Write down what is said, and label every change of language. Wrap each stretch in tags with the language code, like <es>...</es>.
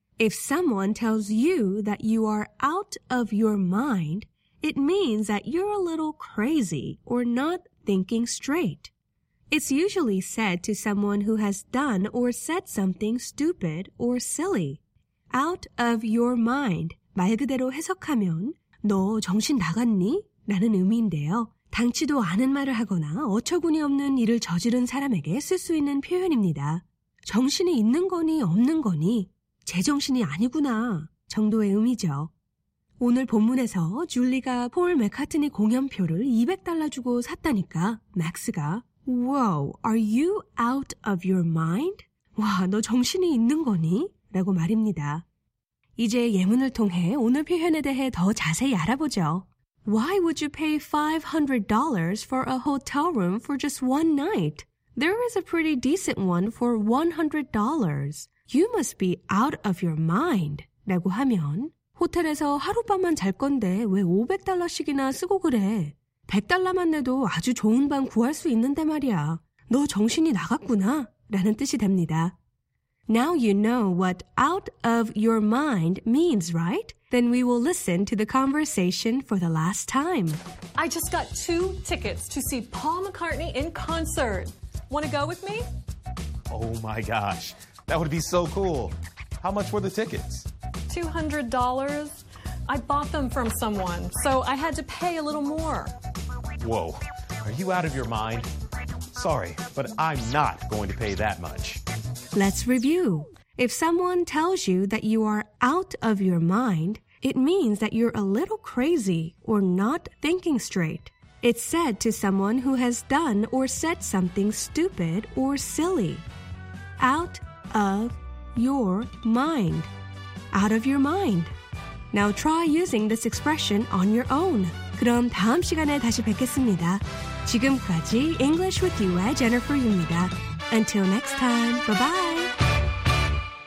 <en>If someone tells you that you are out of your mind, it means that you're a little crazy or not thinking straight. It's usually said to someone who has done or said something stupid or silly. Out of your mind.</en> <ko>말 그대로 해석하면 너 정신 나갔니? 라는 의미인데요. 당치도 않은 말을 하거나 어처구니 없는 일을 저지른 사람에게 쓸 수 있는 표현입니다. 정신이 있는 거니 없는 거니 제정신이 아니구나 정도의 의미죠. 오늘 본문에서 줄리가 폴 맥카트니 공연표를 $200 주고 샀다니까 맥스가</ko> <en>Wow, are you out of your mind?</en> <ko>와, 너 정신이 있는 거니? 라고 말입니다. 이제 예문을 통해 오늘 표현에 대해 더 자세히 알아보죠.</ko> <en>Why would you pay $500 for a hotel room for just one night? There is a pretty decent one for $100. You must be out of your mind.</en> <ko>라고 하면 호텔에서 하룻밤만 잘 건데 왜 $500씩이나 쓰고 그래? 100달러만 내도 아주 좋은 방 구할 수 있는데 말이야. 너 정신이 나갔구나 라는 뜻이 됩니다.</ko> <en>Now you know what out of your mind means, right? Then we will listen to the conversation for the last time. I just got two tickets to see Paul McCartney in concert. Want to go with me? Oh my gosh, that would be so cool. How much were the tickets? $200. I bought them from someone, so I had to pay a little more. Whoa, are you out of your mind? Sorry, but I'm not going to pay that much. Let's review. If someone tells you that you are out of your mind, it means that you're a little crazy or not thinking straight. It's said to someone who has done or said something stupid or silly. Out of your mind. Out of your mind. Now try using this expression on your own.</en> <ko>그럼 다음 시간에 다시 뵙겠습니다. 지금까지 English with You의 Jennifer입니다.</ko> <en>Until next time, bye-bye!</en>